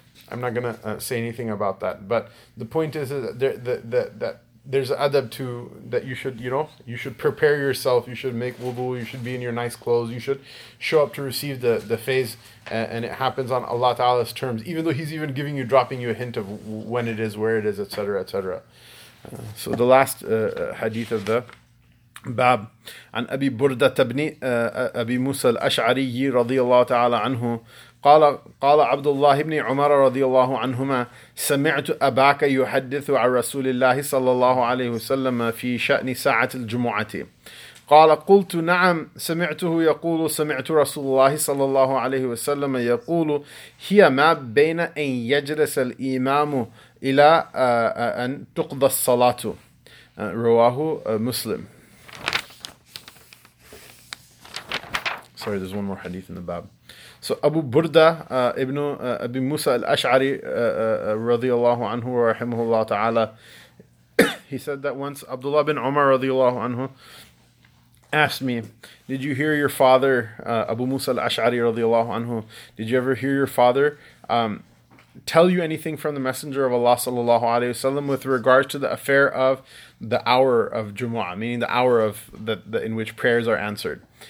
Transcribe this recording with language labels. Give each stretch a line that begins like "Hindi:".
English: I'm not going to say anything about that. But the point is that there's adab to that. You should prepare yourself. You should make wudu. You should be in your nice clothes. You should show up to receive the faiz. And it happens on Allah Ta'ala's terms, even though he's even giving you, dropping you a hint of when it is, where it is, etc., etc. So the last hadith of the bab,
Arabic: عن أبي بردة بن أبي موسى الأشعري رضي الله تعالى عنه قال عبد الله بن عمر رضي الله عنهما سمعت أباك يحدث عن رسول الله صلى الله عليه وسلم في شأن ساعة الجمعة قال قلت نعم سمعته يقول سمعت رسول الله صلى الله عليه وسلم يقول هي ما بين أن يجلس الإمام إلى أن تقضى الصلاة رواه مسلم.
English: Sorry, there's one more hadith in the bab. So Abu Burda ibn Abi Musa al-Ash'ari radiyallahu anhu wa rahimahullah ta'ala, he said that once Abdullah bin Umar radiyallahu anhu asked me, did you hear your father, Abu Musa al-Ash'ari radiyallahu anhu, did you ever hear your father tell you anything from the Messenger of Allah sallallahu alayhi wa sallam with regards to the affair of the hour of Jumu'ah, meaning the hour of the in which prayers are answered?